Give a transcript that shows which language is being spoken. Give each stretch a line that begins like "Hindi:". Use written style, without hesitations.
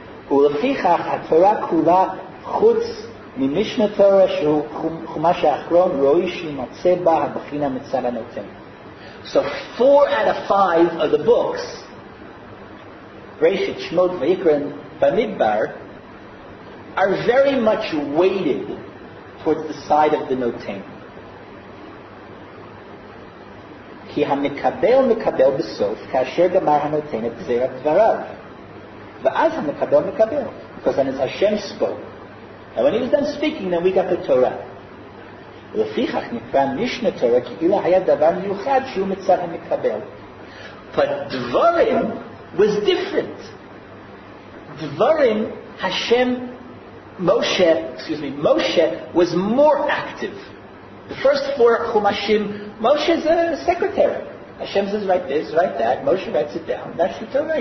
Hebrew: ולפיכך התורה כולה חוץ ממשנה תורה שהוא חומש האחרון ראוי שימצא בה הבחינה מצד הנותן.
English: So 4 out of 5 of the books, Bereishit, Shmot, Vayikra, Bamidbar, are very much weighted towards the side of the notain.
Hebrew: כי המקבל מקבל בסוף כאשר גמר הנותן את גזירת דבריו. ואז המקבל מקבל.
English: Because then it's Hashem spoke. And when he was done speaking, then we got the Torah.
Hebrew: ולפיכך נקרא משנה תורה כאילו היה דבר מיוחד שהוא מצד המקבל.
English: But דברים was different. דברים, Hashem, Moshe was more active. The first 4 chumashim, Moshe is a secretary. Hashem says, write this, write that. Moshe writes it down. That's the Torah.